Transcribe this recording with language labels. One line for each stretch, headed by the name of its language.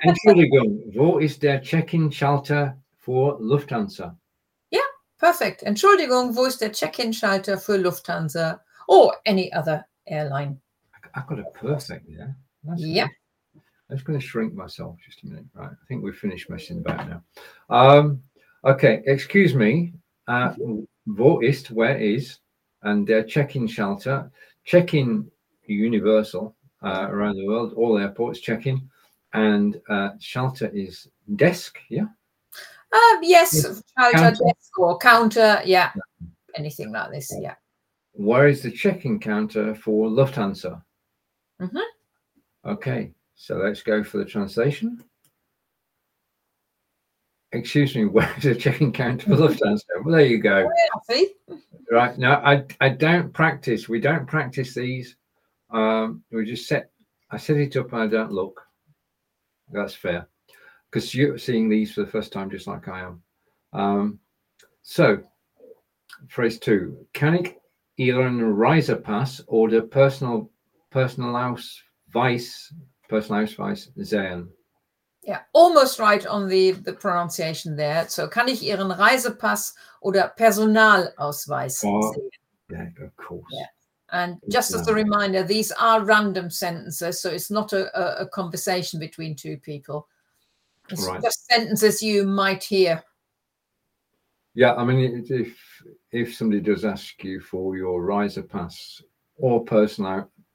German: Entschuldigung, wo ist der Check-in Schalter for Lufthansa?
English: Perfect.
German: Entschuldigung, wo ist der Check-in Schalter für Lufthansa
English: or any other airline? I've got a perfect, yeah. Yeah. I'm just going to shrink myself just a minute. Right. I think we've finished messing about now. Okay. Excuse me.
German: Wo ist,
English: where is, and their check-in shelter, check-in universal around the world, all airports check-in, and shelter is desk, yeah? Yes, counter, yeah, anything like this, yeah. Where is the check-in counter for Lufthansa? Okay, so let's go for the translation. Excuse me, where is the check-in counter for Lufthansa? Well, there you go. Right, now, I don't practice, we don't practice these. I set it up and I don't look. That's fair. Because you're seeing these for the first time, just like I am. So, phrase 2.
German: Can ich Ihren Reisepass oder personal Personalausweis sehen.
English: Yeah, almost right on the pronunciation there.
German: So, kann ich Ihren Reisepass oder Personalausweis sehen?
English: Yeah, of course. Yeah. And just as a reminder, these are random sentences, so it's not a conversation between two people. It's just sentences you might hear. Yeah, I mean, if somebody does ask you for your Reisepass or Personalausweis.